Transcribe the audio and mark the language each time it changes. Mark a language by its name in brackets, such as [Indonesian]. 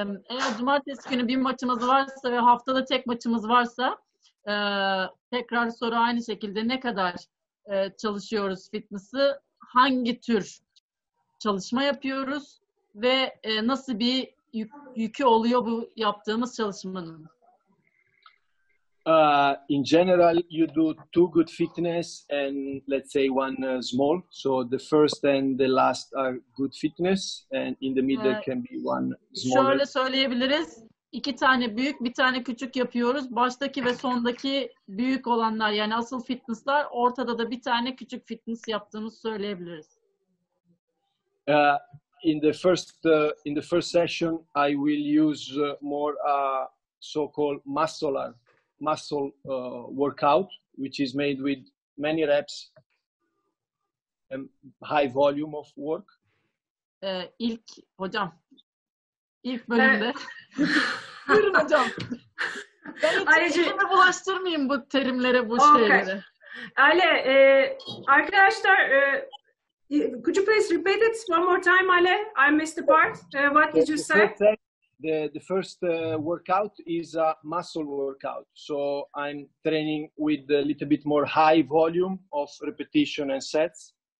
[Turkish] Eğer cumartesi günü bir maçımız varsa ve haftada tek maçımız varsa tekrar soru aynı şekilde ne kadar çalışıyoruz fitness'ı, hangi tür çalışma yapıyoruz ve nasıl bir yükü oluyor bu yaptığımız çalışmanın? [English] In general you do two good fitness and let's say one small. So the first and the last are good fitness and in the middle can be one smaller. [Turkish] Şöyle söyleyebiliriz. 2 tane büyük, 1 tane küçük yapıyoruz. Baştaki ve sondaki büyük olanlar yani asıl fitness'lar, ortada da 1 tane küçük fitness yaptığımız söyleyebiliriz. [English] In the first session I will use more so called muscle workout, which is made with many reps and high volume of work. [Turkish] İlk hocam, ilk bölümde. Buyurun hocam. Ben hiç kendimi bulaştırmayayım bu terimlere, bu şeylere. [English] Ale, arkadaşlar, could you please repeat it one more time, Ale? I missed the part. What did you say? The first workout is a muscle workout. So I'm training with a little bit more high volume of repetition and sets.